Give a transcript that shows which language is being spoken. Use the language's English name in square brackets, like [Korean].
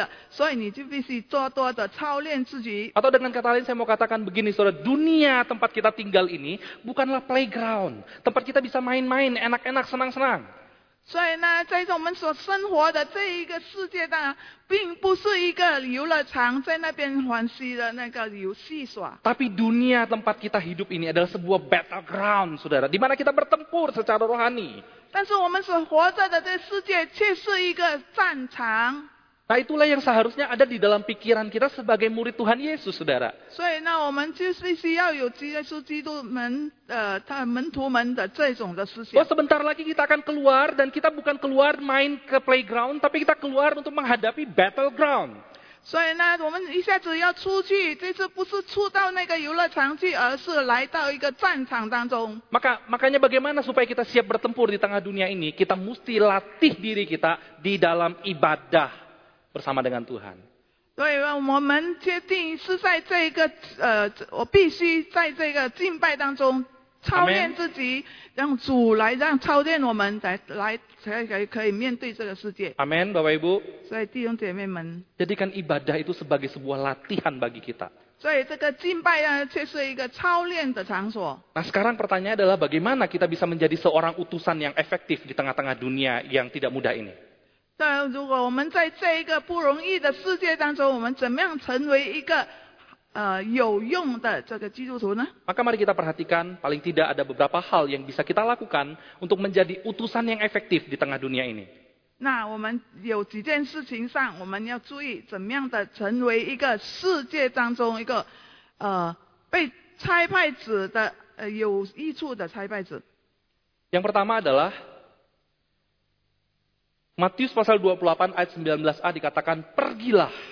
[Chinese] 所以爸爸在那边就提醒我说，这世上的日子并不是容易过的，所以你就必须多多的操练自己。 [Indonesian] Atau dengan kata lain saya mau katakan begini, saudara, dunia tempat kita tinggal ini bukanlah playground, tempat kita bisa main-main, enak-enak, senang-senang. [Chinese] 所以呢，在我们所生活的这一个世界呢，并不是一个游乐场，在那边玩的那个游戏耍。 [Indonesian] Tapi dunia tempat kita hidup ini adalah sebuah battleground, saudara, di mana kita bertempur secara rohani. [Chinese] 但是我们所活着的这世界却是一个战场。 [Indonesian] Nah, itulah yang seharusnya ada di dalam pikiran kita sebagai murid Tuhan Yesus, saudara. [Chinese] 所以呢，我们就必须要有耶稣基督门他门徒们的这种的思想。 [Indonesian] Bahwa sebentar lagi kita akan keluar dan kita bukan keluar main ke playground, tapi kita keluar untuk menghadapi battleground. [Chinese] 所以呢，我们一下子要出去，这次不是出到那个游乐场去，而是来到一个战场当中。 [Indonesian] Makanya bagaimana supaya kita siap bertempur di tengah dunia ini, kita mesti latih diri kita di dalam ibadah. Bersama dengan Tuhan. [Chinese] 对，我们确定是在这一个我必须在这个敬拜当中操练自己， [Indonesian] Amen. [Chinese] 让主来让操练我们来才可以面对这个世界。 [Indonesian] Amen, Bapak Ibu. [Chinese] 所以弟兄姐妹们， [Indonesian] jadikan ibadah itu sebagai sebuah latihan bagi kita. [Chinese] 所以这个敬拜呢，却是一个操练的场所。 [Indonesian] Nah, sekarang pertanyaannya adalah bagaimana kita bisa menjadi seorang utusan yang efektif di tengah-tengah dunia yang tidak mudah ini. [Chinese] 但如果我们在这一个不容易的世界当中，我们怎么样成为一个有用的这个基督徒呢？ [Indonesian] Maka mari kita perhatikan, paling tidak ada beberapa hal yang bisa kita lakukan untuk menjadi utusan yang efektif di tengah dunia ini. [Chinese] 那我们有几件事情上我们要注意，怎么样的成为一个世界当中一个被差派子的有益处的差派子。 [Indonesian] Yang pertama adalah,Matius pasal 28 ayat 19a dikatakan pergilah.